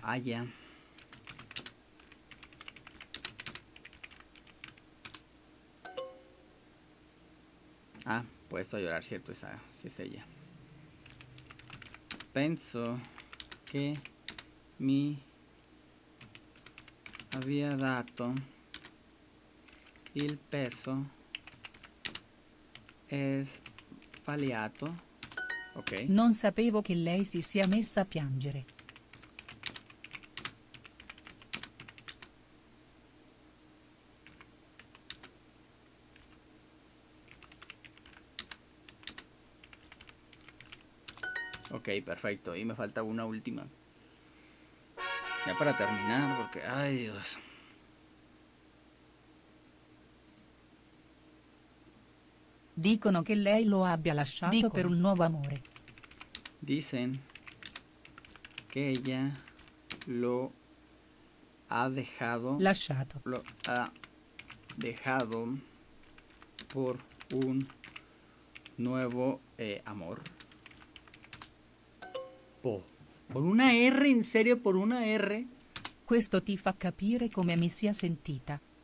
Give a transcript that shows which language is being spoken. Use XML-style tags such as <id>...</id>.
<es>haya puesto a llorar, cierto, esa, si es ella.</es> <it>Penso che mi</it> <es>había</es> <it>dato il peso</it> <es>es</es> <it>sbagliato. Ok. Non sapevo che lei si sia messa a piangere.</it> <es>Ok, perfecto. Y me falta una última. Ya para terminar, porque... ¡Ay, Dios!</es> <it>Dicono che lei lo abbia lasciato. Dicono. Per un nuovo amore.</it> <es>Dicen que ella lo ha dejado...</es> <it>Lasciato.</it> <es>Lo ha dejado por un nuevo amor. Por una R, en serio, por una R...</es> <it>Questo ti fa capire come mi sia sentita.</it>